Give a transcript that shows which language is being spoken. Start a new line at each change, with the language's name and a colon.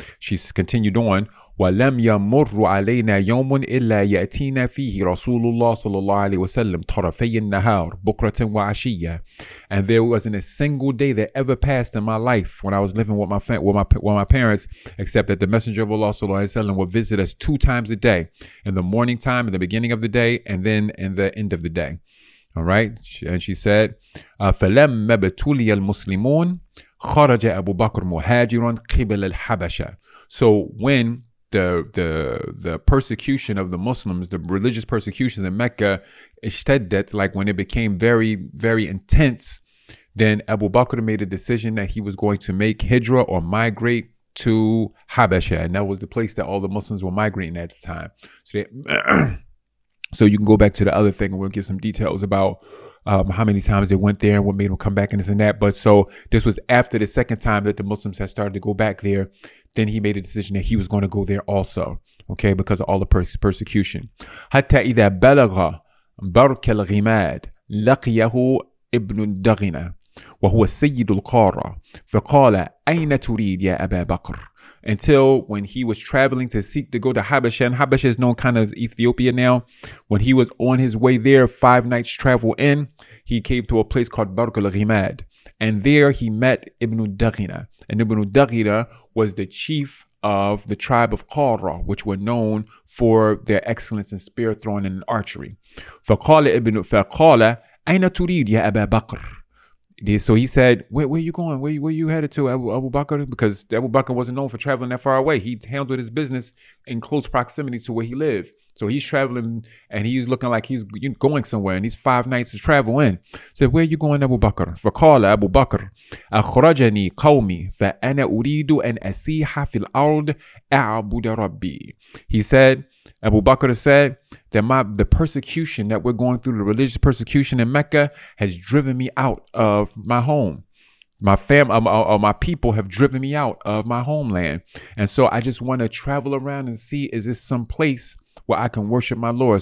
English: She's continued on,
Arabic: "ولم يمر علينا يوم إلا يأتينا فيه رسول الله صلى الله عليه وسلم طرفي النهار بكرة وعشية."
English: And there wasn't a single day that ever passed in my life when I was living with my parents, except that the Messenger of Allah
Arabic: صلى الله عليه وسلم
English: would visit us two times a day, in the morning time, in the beginning of the day, and then in the end of the day. All right, and she said,
Arabic: "فلما بتولي المسلمون خرج أبو بكر مهاجرا قبل الحبشة."
English: So when the persecution of the Muslims, the religious persecution in Mecca, ishtaddat, like when it became very, very intense, then Abu Bakr made a decision that he was going to make hijra, or migrate to Habasha. And that was the place that all the Muslims were migrating at the time. So they, so you can go back to the other thing and we'll get some details about how many times they went there and what made them come back and this and that. But so this was after the second time that the Muslims had started to go back there. Then he made a decision that he was going to go there also, okay, because of all the persecution.
Arabic: حتى إذا بلغ برك الغماد لقيه ابن الدغنة وهو السيد القارة فقال أين تريد يا أبا بكر.
English: Until when he was traveling to seek to go to Habasha, and Habasha is known kind of as Ethiopia now, when he was on his way there, five nights travel in, he came to a place called Barq al-Ghimad. And there he met Ibn al-Daghina. And Ibn al-Daghina was the chief of the tribe of Qara, which were known for their excellence in spear throwing and archery.
Arabic: فَقَالَ إِبْنُ فَقَالَ أَيْنَ تُرِيدْ يَا أَبَا بَقْرِ.
English: So he said, where are you going? Where you headed to, Abu Bakr? Because Abu Bakr wasn't known for traveling that far away. He handled his business in close proximity to where he lived. So he's traveling and he's looking like he's going somewhere, and he's five nights to travel in. So where are you going, Abu Bakr?
Arabic: فَقَالَ أَبُو بَكْرِ أَخْرَجَنِي قَوْمِي فَأَنَا أُرِيدُ أَنْ أَسِيحَ فِي الْأَرْضِ أَعْبُدَ رَبِّي.
English: He said, Abu Bakr said, that the persecution that we're going through, the religious persecution in Mecca, has driven me out of my home. My people have driven me out of my homeland. And so I just want to travel around and see, is this some place where I can worship my Lord?